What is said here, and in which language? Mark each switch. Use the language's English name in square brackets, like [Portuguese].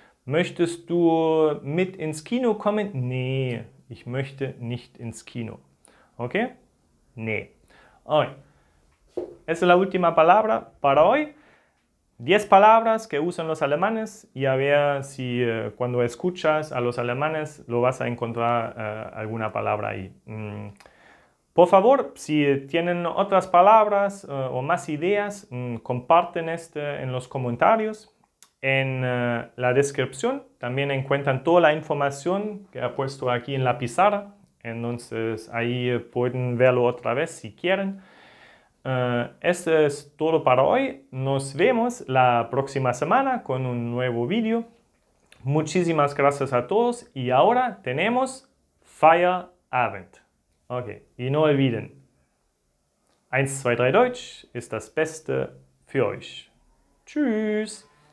[German] ¿Möchtest du mit ins Kino kommen? Nee, ich möchte nicht ins Kino. Okay? Nee. Okay. [Spanish] Esa es la última palabra para hoy. 10 palabras que usan los alemanes y a ver si cuando escuchas a los alemanes lo vas a encontrar alguna palabra ahí. Por favor, si tienen otras palabras o más ideas, comparten este en los comentarios. En la descripción también encuentran toda la información que he puesto aquí en la pizarra. Entonces ahí pueden verlo otra vez si quieren. Esto es todo para hoy. Nos vemos la próxima semana con un nuevo vídeo. Muchísimas gracias a todos y ahora tenemos Feierabend. Ok, y no olviden, [German] 1, 2, 3 Deutsch ist das Beste für euch. Tschüss!